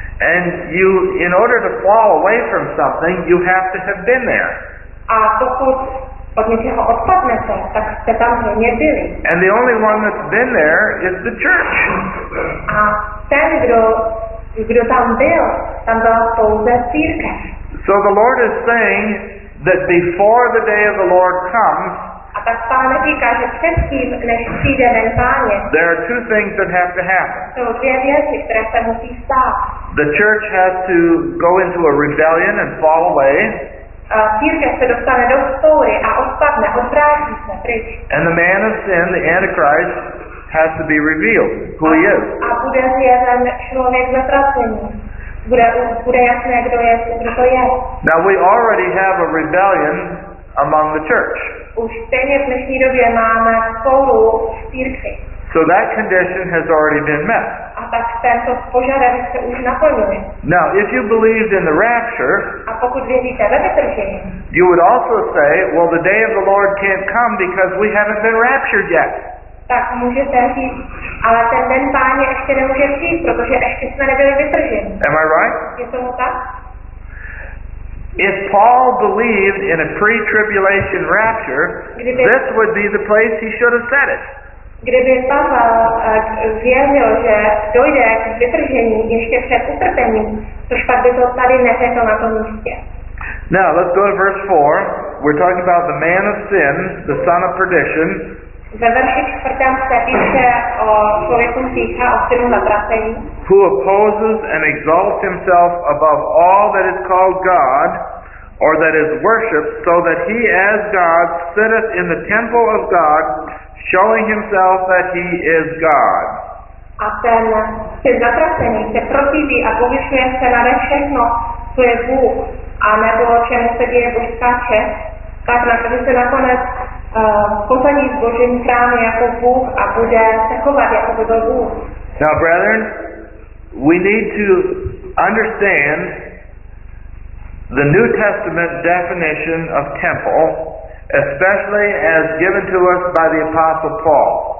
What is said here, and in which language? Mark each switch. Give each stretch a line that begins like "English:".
English: And you, in order to fall away from something, you have to have been there.
Czech: A pokud od něčeho odpadnete, tak jste tam hodně byli.
English: And the only one that's been there is the church.
Czech: A ten, kdo tam byl pouze církev.
English: So the Lord is saying that before the day of the Lord comes,
Czech: a tak Pán říká, že předtím, než přijde den Páně,
English: there are two things that have to happen.
Czech: Jsou dvě věci, které se musí stát.
English: The church has to go into a rebellion and fall away.
Czech: Církev se dostane do vzpoury a odpadne, odvrátí se pryč.
English: And the man of sin, the Antichrist, has to be revealed who he is.
Czech: A bude zjeven člověk zatracený. Bude jasné, kdo to je.
English: Now we already have a rebellion among the church.
Czech: Už stejně v dnešní době máme spolu v církvi.
English: So that condition has already been met.
Czech: A tak tento požadavek se už naplnil.
English: Now, if you believed in the rapture,
Czech: a pokud věříte ve vytržení,
English: you would also say, well, the day of the Lord can't come because we haven't been raptured yet.
Czech: Tak můžete říct, ale ten den Páně ještě nemůže přijít, protože ještě jsme nebyli vytrženi.
English: Am I right?
Czech: Je to tak?
English: If Paul believed in a pre-tribulation rapture, this would be the place he should have said it.
Czech: Kdyby Pavel věřil, že dojde k vytržení ještě před utrpením, což pak by to tady neřekl na tom místě.
English: Now, let's go to verse 4. We're talking about the man of sin, the son of perdition.
Czech: Ve verši 4. se píše o člověku pícha, o synu zatracení.
English: Who opposes and exalts himself above all that is called God, or that is worshipped, so that he as God sitteth in the temple of God, showing himself that he is God.
Czech: A ten syn zatracený se protiví a povyšuje se na všechno, co je Bůh, a nebo čemu se děje božská čest, tak na to se nakonec posadí s Božím chrámem jako Bůh a bude se chovat jako by byl Bůh.
English: Now, brethren, we need to understand the New Testament definition of temple, especially as given to us by the Apostle Paul.